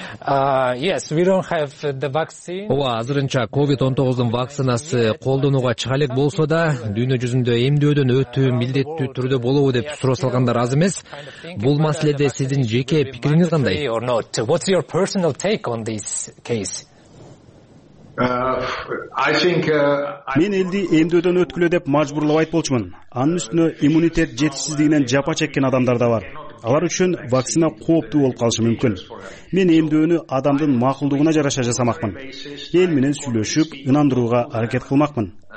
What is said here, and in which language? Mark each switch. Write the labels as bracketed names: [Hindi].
[Kyrgyz] Ооба, азырынча COVID-19 вакцинасы колдонууга чыга элек болсо да, дүйнө жүзүндө эмдөөдөн өтүү милдеттүү түрдө болобу деп суроо салгандар аз эмес. Бул маселеде сиздин жеке пикириңиз кандай? [English] What's your personal take on this case? [Kyrgyz] Мен элди эмдөөдөн өткүлө деп мажбурлабайт болчумун. Анын үстүнө иммунитет жетишсиздигинен жапа чеккен адамдар да бар. Алар үчүн вакцина кооптуу болуп калышы мүмкүн. Мен эмдөөнү адамдын макулдугуна жараша жасамакмын. Эл менен сүйлөшүп, ынандырууга аракет кылмакмын.